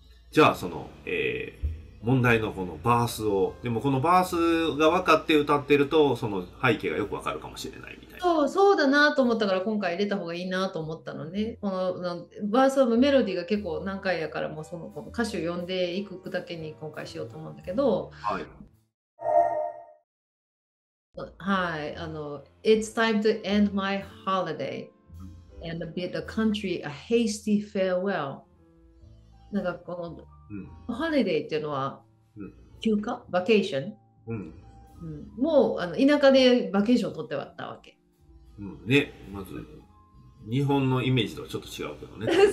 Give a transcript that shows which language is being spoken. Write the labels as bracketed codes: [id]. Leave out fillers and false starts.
[ja] じゃあその、問題のこのバースを、でもこのバースが分かって歌ってるとその背景がよく分かるかもしれないみたいな。そうだなと思ったから今回入れた方がいいなと思ったのね。このバースのメロディーが結構難解やから、もうこの歌詞を読んでいくだけに今回しようと思うんだけど、はいはい、あの [en] It's time to end my holiday and bid the country a hasty farewell. [ja] なんかこの、うん、ホリデーっていうのは、うん、休暇バケーション、うんうん、もうあの田舎でバケーションを取って終わったわけ、うん、ね、まず日本のイメージとはちょっと違うけどね